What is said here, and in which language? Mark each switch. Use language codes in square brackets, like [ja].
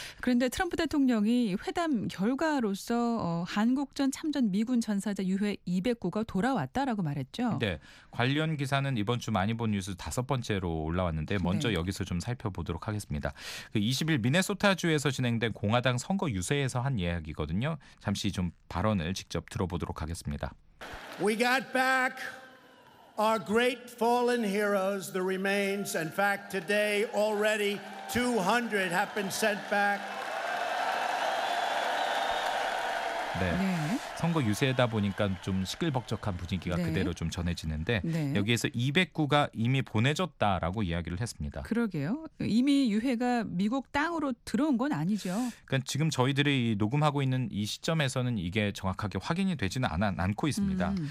[ko] 그런데 트럼프 대통령이 회담 결과로서 한국전 참전 미군 전사자 유해 209가 돌아왔다라고 말했죠. 네. 관련 기사는 이번 주 많이 본 뉴스 다섯 번째로 올라왔는데 먼저 네. 여기서 좀 살펴보도록 하겠습니다. 그 20일 미네소타주에서 진행된 공화당 선거 유세에서 한 이야기거든요. 잠시 좀 발언을 직접 들어보도록 하겠습니다. [en] We got back our great fallen heroes, the remains. In fact, today already 200 have been sent back. [ko] 네. 네. 선거 유세다 보니까 좀 시끌벅적한 분위기가 네. 그대로 좀 전해지는데 네. 여기에서 209가 이미 보내졌다라고 이야기를 했습니다. 그러게요. 이미 유해가 미국 땅으로 들어온 건 아니죠. 그러니까 지금 저희들이 녹음하고 있는 이 시점에서는 이게 정확하게 확인이 되지는 않고 있습니다.